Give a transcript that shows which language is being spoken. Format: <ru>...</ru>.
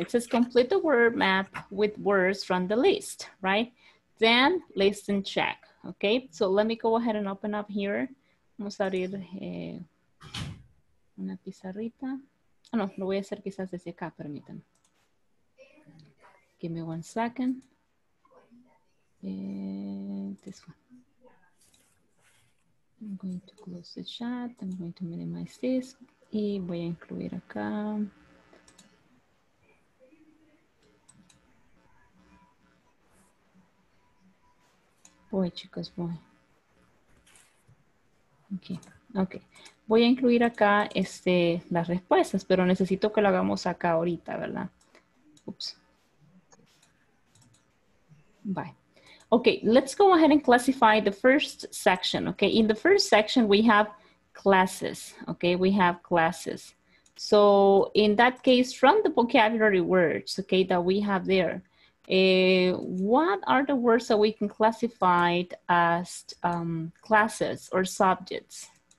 <en>It says, complete the word map with words from the list, right? Then, list and check, okay? So, let me go ahead and open up here.</en> <es>Vamos a abrir una pizarrita. Oh, no, lo voy a hacer quizás desde acá, permítanme.</es> <en>Give me one second. This one. I'm going to close the chat. I'm going to minimize this.</en> <es>Y voy a incluir acá. Voy, chicos, voy.</es> <en>Okay.</en> <es>Voy a incluir acá las respuestas, pero necesito que lo hagamos acá ahorita, ¿verdad? Oops.</es> <en>Bye. Okay, let's go ahead and classify the first section, okay? In the first section, we have classes, okay? We have classes. So in that case, from the vocabulary words, okay, that we have there, what are the words that we can classify as classes or subjects?</en>